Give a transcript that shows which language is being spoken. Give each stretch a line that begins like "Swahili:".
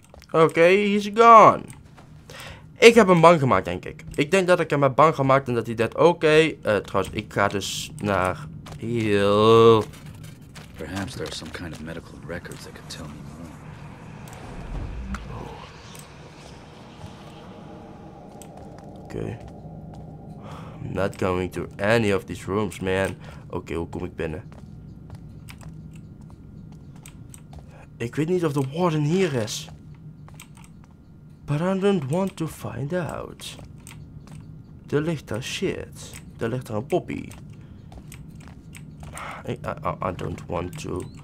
Dutch: Oké,
English: he's gone.
Dutch: Ik heb hem bang gemaakt, denk ik. Ik denk dat ik hem heb bang gemaakt en dat hij dat oké. Trouwens, ik ga dus naar heel.
English: Perhaps there are some kind of medical records that could tell me more. Oké. I'm not going to any of these rooms, man.
Dutch: Oké, hoe kom ik binnen? Ik weet niet of de warden hier is.
English: But I don't want to find out.
Dutch: Er ligt daar shit. Er ligt daar een poppy.
English: I don't want to.